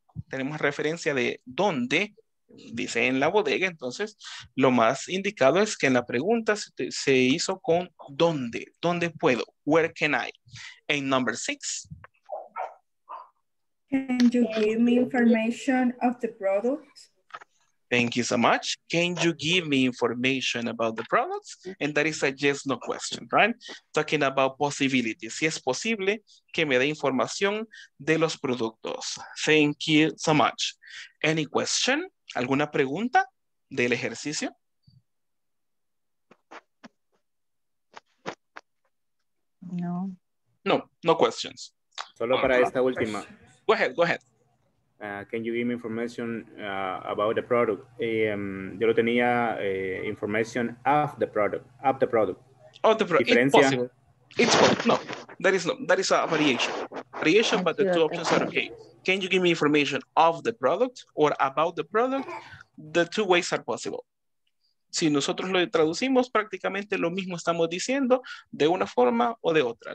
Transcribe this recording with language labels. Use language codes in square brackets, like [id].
[es] Tenemos referencia de dónde. Dice en la bodega, entonces lo más indicado es que en la pregunta se hizo con dónde, dónde puedo, [en] where can I. [es] En number six. [en] Can you give me information of the products? Thank you so much. Can you give me information about the products? And that is a yes, no question, right? Talking about possibilities. [es] Si es posible que me dé información de los productos. [en] Thank you so much. Any question? [es] ¿Alguna pregunta del ejercicio? [en] No questions. [es] Solo para esta última. [en] Go ahead. Can you give me information about the product? [es] Yo lo tenía [en] information of the product. Of the product. Of the product. Diferencia. It's possible. That is a variation. Variation, but the two options are okay. Can you give me information of the product or about the product? The two ways are possible. [es] Si nosotros lo traducimos, prácticamente lo mismo estamos diciendo de una forma o de otra.